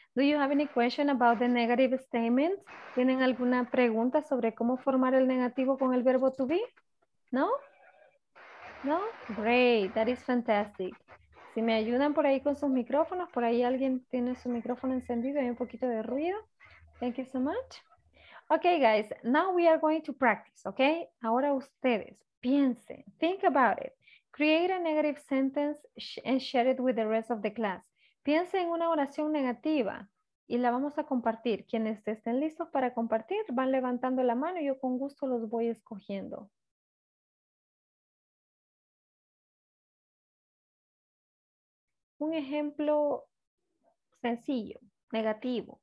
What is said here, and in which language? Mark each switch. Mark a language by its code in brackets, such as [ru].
[en] Do you have any question about the negative statements? [es] ¿Tienen alguna pregunta sobre cómo formar el negativo con el verbo to be? ¿No? ¿No? [en] Great, that is fantastic. [es] Si me ayudan por ahí con sus micrófonos, por ahí alguien tiene su micrófono encendido, hay un poquito de ruido. [en] Thank you so much. Okay, guys, now we are going to practice, okay? [es] Ahora ustedes. Piense, [en] think about it. Create a negative sentence and share it with the rest of the class. [es] Piense en una oración negativa y la vamos a compartir. Quienes estén listos para compartir, van levantando la mano y yo con gusto los voy escogiendo. Un ejemplo sencillo, negativo.